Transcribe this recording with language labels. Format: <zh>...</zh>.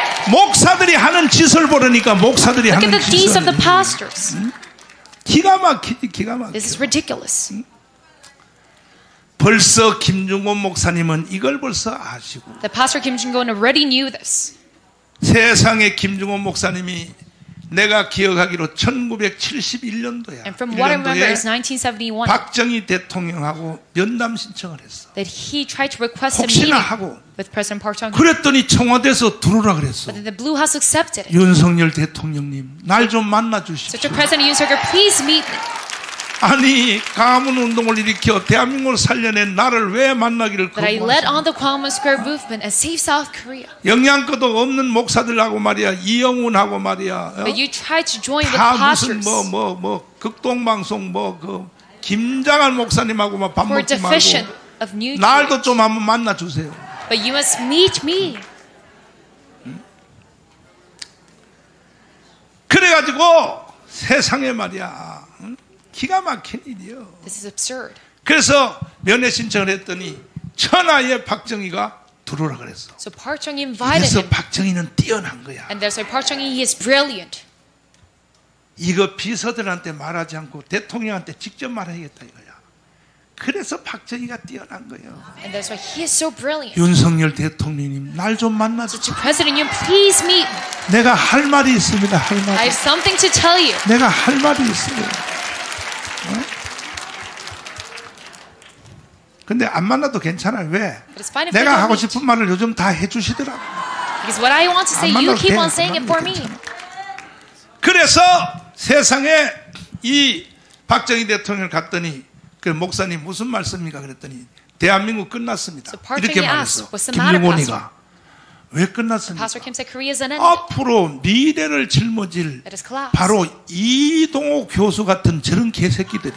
<ko>목사들이 하는 짓을 보라니까 목사들이</ko> <en>Look</en> <ko>하는 짓을.</ko> <en>The pastors.</en> <ko>기가 막히지 기가 막혀.</ko> <en>This is ridiculous.</en> <ko>벌써 김중곤 목사님은 이걸 벌써 아시고.</ko> <en>The pastor Kim Jung-won already knew this.</en> <ko>세상에 김중곤 목사님이 내가 기억하기로 1971년도야.</ko> <en>And from what I remember, it's 1971.</en> <ko>박정희 대통령하고 면담 신청을 했어.</ko> <en>That he tried to request</en> <ko>혹시나</ko> <en>a meeting with President Park Chung-hee.</en> <ko>그랬더니 청와대에서 들어오라 그랬어.</ko> <en>But then the Blue House accepted.</en> <ko>윤석열 대통령님, 날 좀 만나 주십시오.</ko> <en>So President Yoon Suk-yeol, please meet me.</en> <ko>아니 광화문 운동을 일으켜 대한민국을 살려낸 나를 왜 만나기를 거부하십니까?</ko> <en>But I led on the Gwangmun Square movement and saved South Korea.</en> <ko>영양가도 없는 목사들하고 말이야 이영훈하고 말이야.</ko> <en>But you tried to join the pastors.</en> <ko>다 무슨 뭐 극동 방송 뭐 그 김장한 목사님하고 막 밥 먹지 말고.</ko> <en>Of new</en> <ko>날도 좀 한번 만나 주세요.</ko> <en>But you must meet me.</en> <ko>그래 가지고 세상에 말이야. 기가 막힌 일이요.</ko> <en>This is absurd.</en> <ko>그래서 면회 신청을 했더니 천하의 박정희가 들어오라 그랬어.</ko> <en>So Park Chung-hee invited him.</en> <ko>그래서 박정희는 뛰어난 거야.</ko> <en>And that's why Park Chung-hee he is brilliant.</en> <ko>이거 비서들한테 말하지 않고 대통령한테 직접 말해야겠다 이거야. 그래서 박정희가 뛰어난 거예요.</ko> <en>And that's why he is so brilliant.</en> <ko>윤석열 대통령님 날 좀 만나주세요.</ko> <en>So President Yoon, please meet me.</en> <ko>내가 할 말이 있습니다. 할 말이.</ko> <en>I have something to tell you.</en> <ko>내가 할 말이 있습니다. 근데 안 만나도 괜찮아요. 왜? 내가 하고 싶은 말을 요즘 다 해주시더라고.</ko> <en>Because what I want to say, you keep on saying it for me.</en> <ko>그래서 세상에 이 박정희 대통령을 갔더니 그 목사님 무슨 말씀인가 그랬더니 대한민국 끝났습니다. 이렇게 말했어. 김용원이가 왜 끝났습니까? 앞으로 미래를 짊어질 바로 이동호 교수 같은 저런 개새끼들이</ko>